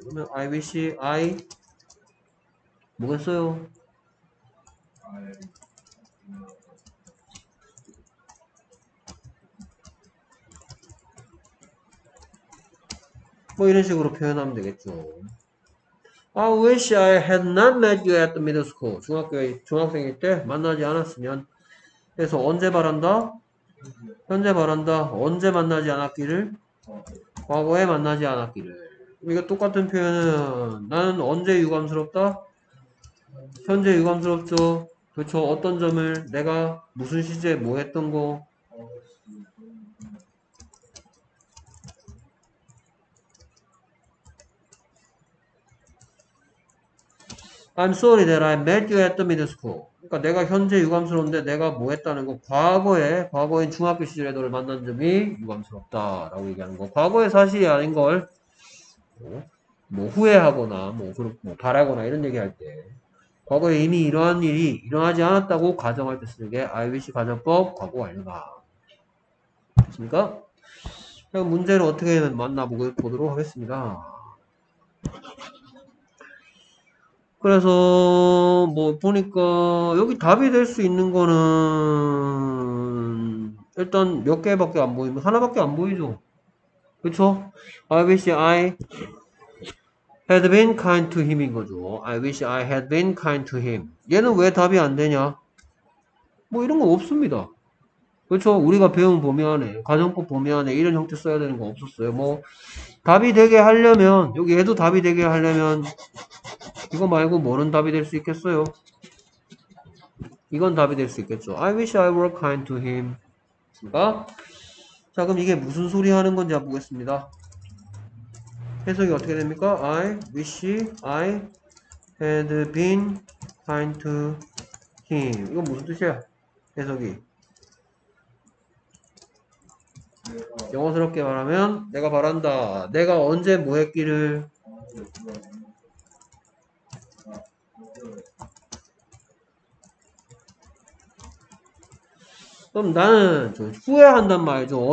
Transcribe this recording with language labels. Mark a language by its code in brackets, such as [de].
[ko] 그러면 [en] I wish I [ko] 뭐겠어요? 뭐 이런 식으로 표현하면 되겠죠. [en] I wish I had not met you at the middle school. [ko] 중학생일 때 만나지 않았으면. 그래서 언제 바란다? 현재 바란다. 언제 만나지 않았기를? 과거에 만나지 않았기를. 이거 똑같은 표현은 나는 언제 유감스럽다? 현재 유감스럽죠. 그렇죠. 어떤 점을 내가 무슨 시제에 뭐 했던 거? [en] I'm sorry that I met you at the middle school. [ko] 그러니까 내가 현재 유감스러운데 내가 뭐 했다는 거 과거인 중학교 시절에 너를 만난 점이 유감스럽다라고 얘기하는 거 과거의 사실이 아닌 걸뭐 후회하거나 뭐 그렇고 뭐 바라거나 이런 얘기할 때 과거에 이미 이러한 일이 일어나지 않았다고 가정할 때 쓰는 게 [en] I wish [ko] 가정법 과거 완료다. 됐습니까? 그럼 문제를 어떻게 보도록 하겠습니다. 그래서 뭐 보니까 여기 답이 될수 있는 거는 일단 몇 개밖에 안 보이면 하나밖에 안 보이죠. 그렇죠? [en] I wish I had been kind to him인 거죠. I wish I had been kind to him. [ko] 얘는 왜 답이 안 되냐? 뭐 이런 거 없습니다. 그렇죠? 우리가 배운 범위 안에 가정법 범위 안에 이런 형태 써야 되는 거 없었어요. 뭐 답이 되게 하려면 여기 얘도 답이 되게 하려면 이거 말고 뭐는 답이 될수 있겠어요? 이건 답이 될수 있겠죠. [en] I wish I were kind to him. [ko] 그러니까 자 그럼 이게 무슨 소리 하는 건지 한번 보겠습니다. 해석이 어떻게 됩니까? [en] I wish I had been kind to him. [ko] 이건 무슨 뜻이야? 해석이. 영어스럽게 말하면 내가 바란다. 내가 언제 뭐 했기를 그럼 나는 후회한단 말이죠.